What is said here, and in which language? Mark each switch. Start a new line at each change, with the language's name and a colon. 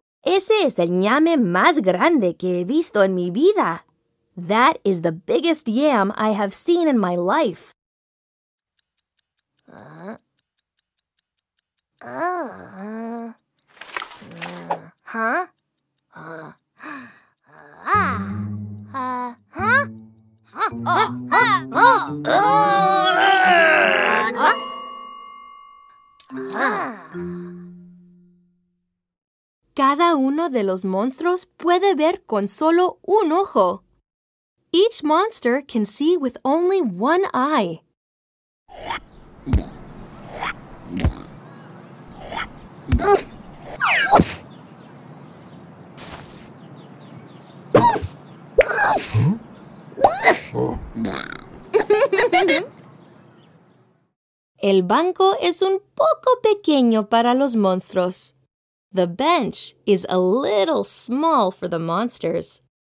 Spanish: Ese es el ñame más grande que he visto en mi vida.
English: That is the biggest yam I have seen in my life.
Spanish: Cada uno de los monstruos puede ver con solo un ojo.
English: Each monster can see with only one eye.
Spanish: El banco es un poco pequeño para los monstruos.
English: The bench is a little small for the monsters.